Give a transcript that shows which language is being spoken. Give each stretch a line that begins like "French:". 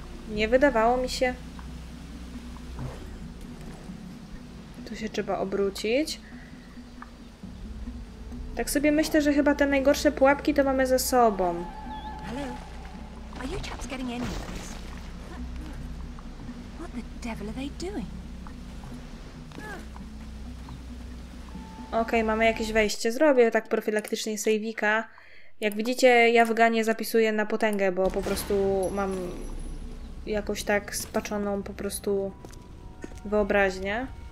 Polish: Nie wydawało mi się. Tu się trzeba obrócić. Tak sobie myślę, że chyba te najgorsze pułapki to mamy za sobą.
English: Hello. Are you chaps getting in? What the devil are they doing?
Polish: Okej, mamy jakieś wejście. Zrobię tak profilaktycznie sejwika. Jak widzicie, ja w ganie zapisuję na potęgę, bo po prostu mam jakoś tak spaczoną po prostu wyobraźnię.